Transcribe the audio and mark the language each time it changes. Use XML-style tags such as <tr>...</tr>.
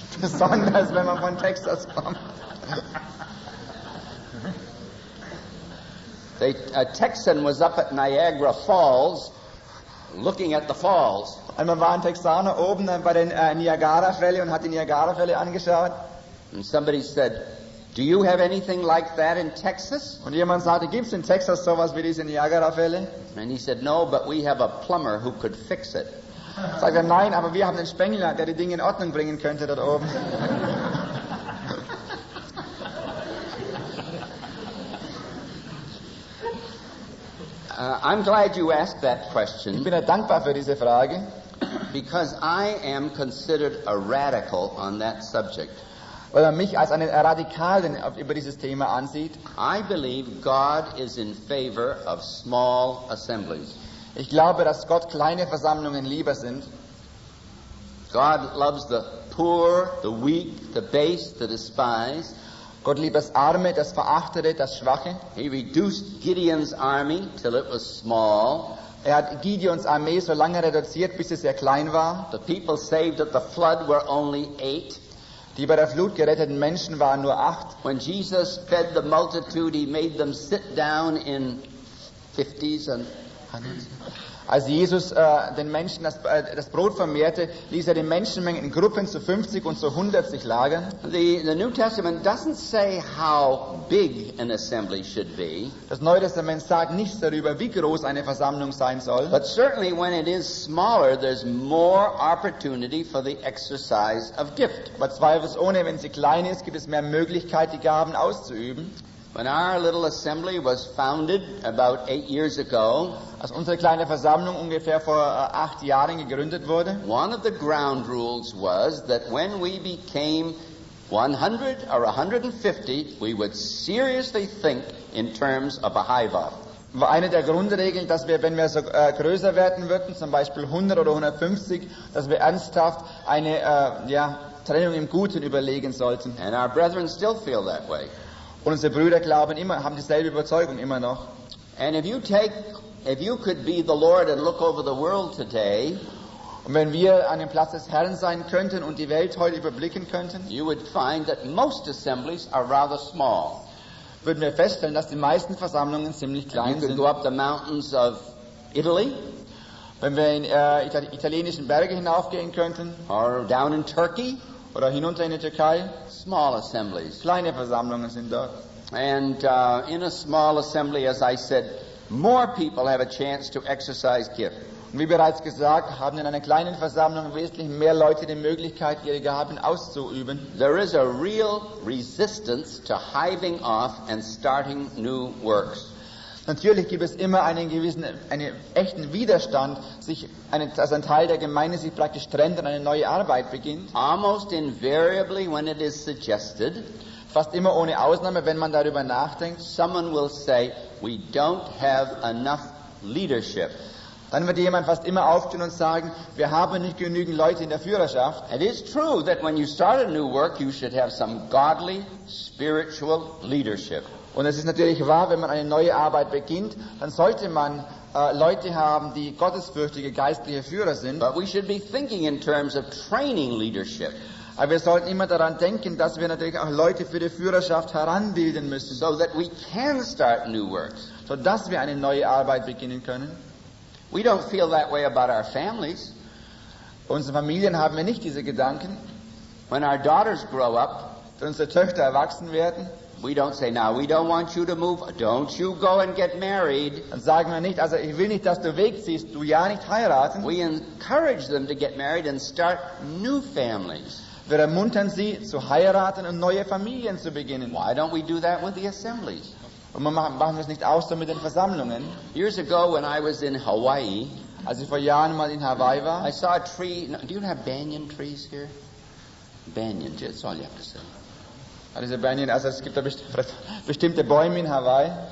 <de>Besonders wenn man von Texas kommt.</de> <en>A Texan was up at Niagara Falls, looking at the falls.</en> <de>Und man war ein Texaner oben bei den Niagara-Fälle und hat die Niagara-Fälle angeschaut.</de> <en>And somebody said, "Do you have anything like that in Texas?"</en> <de>Und jemand sagte, gibt's in Texas sowas wie diese Niagara-Fälle?</de> <en>And he said, "No, but we have a plumber who could fix it."</en> <de>Sagte, nein, aber wir haben einen Spengler, der die Dinge in Ordnung bringen könnte dort oben.</de> <en>I'm glad you asked that question.</en> <de>Ich bin ja dankbar für diese Frage.</de> <en>Because I am considered a radical on that subject.</en> <de>Weil man mich als einen Radikalen über dieses Thema ansieht.</de> <en>I believe God is in favor of small assemblies.</en> <de>Ich glaube, dass Gott kleine Versammlungen lieber sind.</de> <en>God loves the poor, the weak, the base, the despised.</en> <de>Gott liebt das Arme, das Verachtete, das Schwache.</de> <en>He reduced Gideon's army till it was small.</en> <de>Er hat Gideons Armee so lange reduziert, bis sie sehr klein war.</de> <en>The people saved at the flood were only 8.</en> <de>Die bei der Flut geretteten Menschen waren nur 8.</de> <en>When Jesus fed the multitude, he made them sit down in 50s and 100s.</en> <de>Als Jesus den Menschen das Brot vermehrte, ließ er die Menschenmengen in Gruppen zu 50 und zu 100 sich lagern.</de> <en>The New Testament doesn't say how big an assembly should be.</en> <de>Das Neue Testament sagt nichts darüber, wie groß eine Versammlung sein soll.</de> <en>But certainly when it is smaller, there's more opportunity for the exercise of gift.</en> <de>Aber zweifelsohne, wenn sie klein ist, gibt es mehr Möglichkeit, die Gaben auszuüben.</de> <en>When our little assembly was founded about 8 years ago,</en> <de>als unsere kleine Versammlung ungefähr vor 8 Jahren gegründet wurde,</de> <en>one of the ground rules was that when we became 100 or 150, we would seriously think in terms of a hivah.</en> <de>War eine der Grundregeln, dass wir, wenn wir so größer werden würden, zum Beispiel 100 oder 150, dass wir ernsthaft eine Trennung im Guten überlegen sollten.</de> <en>And our brethren still feel that way.</en> <de>Und unsere Brüder glauben immer, haben dieselbe Überzeugung immer noch.</de> <en>And if you could be the Lord and look over the world today,</en> <de>und wenn wir an dem Platz des Herrn sein könnten und die Welt heute überblicken könnten,</de> <en>you would find that most assemblies are rather small.</en> <de>Würden wir feststellen, dass die meisten Versammlungen ziemlich klein sind.</de> <en>You could go up the mountains of Italy.</en> <de>Wenn wir in italienischen Berge hinaufgehen könnten,</de> <en>or down in Turkey.</en> <de>Oder hinunter in die Türkei.</de> <en>Small assemblies.</en> <de>Kleine Versammlungen sind dort.</de> <en>And in a small assembly, as I said, more people have a chance to exercise gift.</en> <de>Wie bereits gesagt, haben in einer kleinen Versammlung wesentlich mehr Leute die Möglichkeit, ihre Gaben auszuüben.</de> <en>There is a real resistance to hiving off and starting new works.</en> <de>Natürlich gibt es immer einen echten Widerstand, dass ein Teil der Gemeinde sich praktisch trennt und eine neue Arbeit beginnt.</de> <en>Almost invariably when it is suggested,</en> <de>fast immer ohne Ausnahme, wenn man darüber nachdenkt,</de> <en>someone will say, we don't have enough leadership.</en> <de>Dann wird jemand fast immer aufstehen und sagen, wir haben nicht genügend Leute in der Führerschaft.</de> <en>It is true that when you start a new work, you should have some godly, spiritual leadership.</en> <de>Und es ist natürlich wahr, wenn man eine neue Arbeit beginnt, dann sollte man Leute haben, die gottesfürchtige geistliche Führer sind.</de> <en>But we should be thinking in terms of training leadership.</en> <de>Aber wir sollten immer daran denken, dass wir natürlich auch Leute für die Führerschaft heranbilden müssen,</de> <en>so that we can start new works,</en> <de>so dass wir eine neue Arbeit beginnen können.</de> <en>We don't feel that way about our families.</en> <de>Unsere Familien haben wir nicht diese Gedanken.</de> <en>When our daughters grow up,</en> <de>wenn unsere Töchter erwachsen werden,</de> <en>we don't say, now we don't want you to move. Don't you go and get married.</en> <de>Dann sagen wir nicht, also ich will nicht, dass du wegziehst, du ja nicht heiraten.</de> <en>We encourage them to get married and start new families.</en> <de>Wir ermuntern sie zu heiraten und neue Familien zu beginnen.</de> <en>Why don't we do that with the assemblies?</en> <de>Und wir machen das nicht auch so mit den Versammlungen.</de> <en>Years ago when I was in Hawaii,</en> <de>als ich vor Jahren mal in Hawaii war,</de> <en>I saw a tree. Do you have banyan trees here? Banyan, that's all you have to say.</en> <de>Also banyan, also es gibt da bestimmte Bäume in Hawaii.</de>